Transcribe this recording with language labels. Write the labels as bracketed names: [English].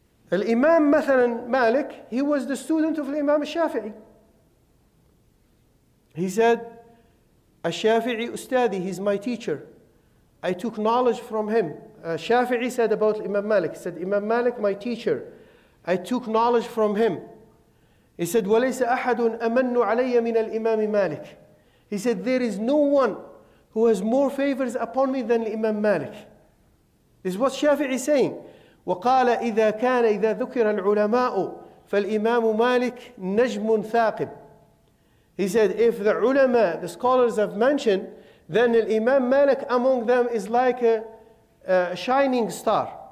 [English] Al-Imam Mathalan Malik, he was the student of Al-Imam Shafi'i. He said, Al-Shafi'i Ustadi, he's my teacher. I took knowledge from him. Shafi'i said about Imam Malik, he said, Imam Malik, my teacher. I took knowledge from him. He said, [Arabic] وَلَيْسَ أَحَدٌ أَمَنُّ عَلَيَّ مِنَ الْإِمَامِ مَالِكِ. [English] He said, there is no one who has more favors upon me than Imam Malik. This is what Shafi'i is saying. [Arabic] وَقَالَ إِذَا كَانَ إِذَا ذُكِرَ الْعُلَمَاءُ فَالْإِمَامُ مَالِكِ نَجْمٌ ثَاقِبٌ. [English] He said, if the ulama, the scholars have mentioned, then Imam Malik among them is like a shining star.